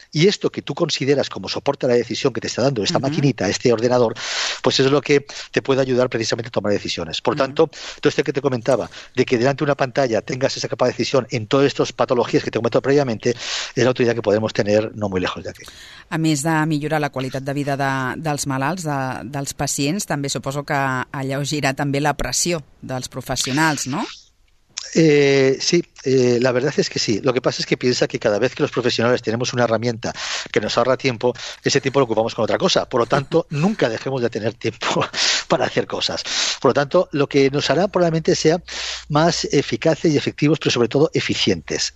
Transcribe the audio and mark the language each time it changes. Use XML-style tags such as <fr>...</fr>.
<es>Y esto que tú consideras como soporte a la decisión que te está dando esta uh-huh. maquinita, este ordenador, pues es lo que te puede ayudar precisamente a tomar decisiones. Por uh-huh. tanto, todo esto que te comentaba, de que delante de una pantalla tengas esa capacidad de decisión en todas estas patologías que te comento previamente, es la utilidad que podemos tener no muy lejos de aquí.</es> <ca>A més de millorar la qualitat de vida dels malalts, dels pacients, també suposo que alleugirà també la pressió dels professionals, no?</ca> <es>La verdad es que sí. Lo que pasa es que piensa que cada vez que los profesionales tenemos una herramienta que nos ahorra tiempo, ese tiempo lo ocupamos con otra cosa. Por lo tanto, nunca dejemos de tener tiempo para hacer cosas. Por lo tanto, lo que nos hará probablemente sea más eficaces y efectivos, pero sobre todo eficientes.</es>